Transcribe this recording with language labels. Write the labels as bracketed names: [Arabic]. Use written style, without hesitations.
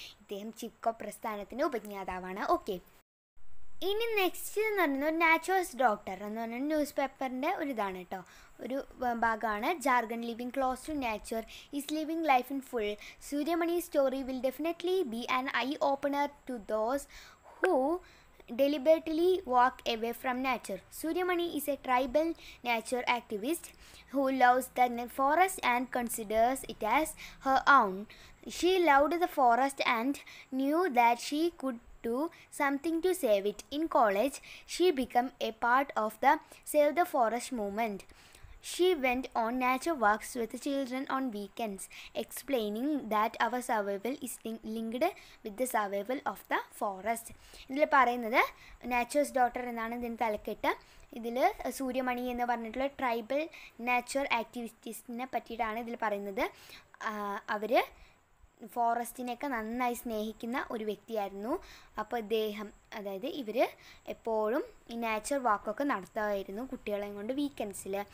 [Malayalam] ഇദ്ദേഹം ചിപ്കോ പ്രസ്ഥാനത്തിൻ്റെ ഉപജ്ഞാതാവാണ്. ഓക്കെ, ഇനി നെക്സ്റ്റ് എന്ന് പറയുന്നത് ഒരു നാച്ചുറൽസ് ഡോക്ടർ എന്ന് പറയുന്ന ന്യൂസ് പേപ്പറിൻ്റെ ഒരു ഇതാണ് കേട്ടോ, ഒരു ഭാഗമാണ്. [English] Jharkhand living close to nature is living life in full. Suryamani story will definitely be an eye opener to those who deliberately walk away from nature. Suryamani is a tribal nature activist who loves the forest and considers it as her own. She loved the forest and knew that she could do something to save it. In college, she became a part of the Save the Forest movement. She went on nature walks with the children on weekends, explaining that our survival is linked with the survival of the forest. [Malayalam] ഇതിൽ പറയുന്നത് naturals daughter എന്നാണ് ഇതിന് തലക്കെട്ട്. ഇതിൽ സൂര്യമണി എന്ന് പറഞ്ഞിട്ടുള്ള tribal natural ആക്ടിവിസ്റ്റിനെ പറ്റിയിട്ടാണ് ഇതിൽ പറയുന്നത്. അവർ ഫോറസ്റ്റിനെയൊക്കെ നന്നായി സ്നേഹിക്കുന്ന ഒരു വ്യക്തിയായിരുന്നു. അപ്പോൾ ഇദ്ദേഹം, അതായത് ഇവർ എപ്പോഴും ഈ നാച്ചുറൽ വാക്കൊക്കെ നടത്തുമായിരുന്നു കുട്ടികളെയും കൊണ്ട് വീക്കെൻഡ്സിൽ.